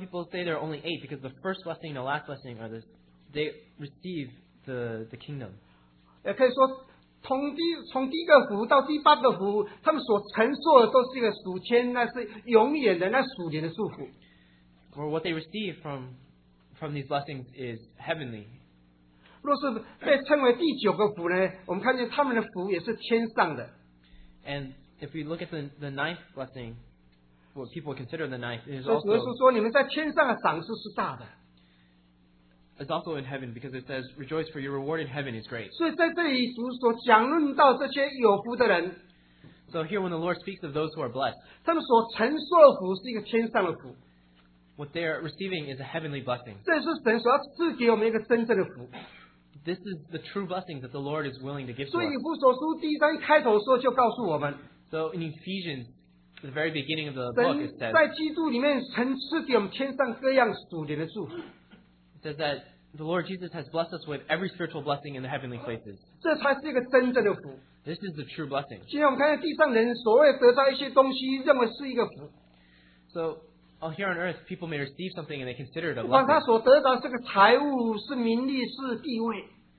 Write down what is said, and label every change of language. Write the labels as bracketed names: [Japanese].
[English] people say there are only eight because the first blessing and the last blessing are they receive the kingdom. [Chinese] 也可以说。从第一个福到第八个福, 他们所承受的都是一个属天, 那是永远的, 那属灵的祝福。 [English] Or what they receive from these blessings is heavenly. [Chinese] 若是被称为第九个福呢, 我们看见他们的福也是天上的。 [English] And if we look at the ninth blessing, what people consider the ninth, it is also, [Chinese] 所以主耶稣说你们在天上的赏赐是大的。 [English] It's also in heaven because it says, rejoice for your reward in heaven is great. [Chinese] 所以在这里主所讲论到这些有福的人, [English] so here when the Lord speaks of those who are blessed, [Chinese] 他们所承受的福是一个天上的福, [English] what they are receiving is a heavenly blessing. [Chinese] 这是神所要赐给我们一个真正的福。 [English] This is the true blessing that the Lord is willing to give to us. [Chinese] 所以以弗所书第一章一开头的时候就告诉我们, [English] so in Ephesians, at the very beginning of the book, it says, [Chinese] 在基督里面曾赐给我们天上各样属灵的祝福。 [English] Says that the Lord Jesus has blessed us with every spiritual blessing in the heavenly places. This is the true blessing. So, here on earth, people may receive something and they consider it a blessing.